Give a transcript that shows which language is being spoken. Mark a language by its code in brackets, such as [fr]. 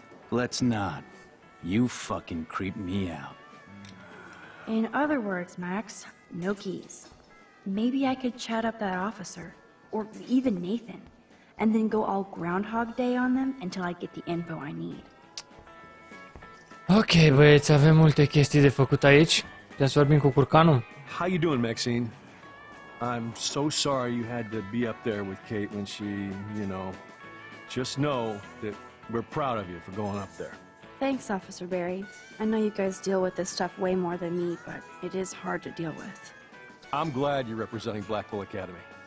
[en] Let's not. You fucking creep me out. In other words, Max, no keys. Maybe I could chat up that officer, or even Nathan. And then go all Groundhog Day on them until I get the info I need. [ro] Ok, băieți, avem multe chestii de făcut aici. Putem să vorbim cu curcanul? [en] How you doing, Maxine? I'm so sorry you had to be up there with Kate when she, you know... Just know that we're proud of you for going up there. Thanks, Officer Barry. I know you guys deal with this stuff way more than me, but it is hard to deal with. I'm glad you're representing Black Bull Academy.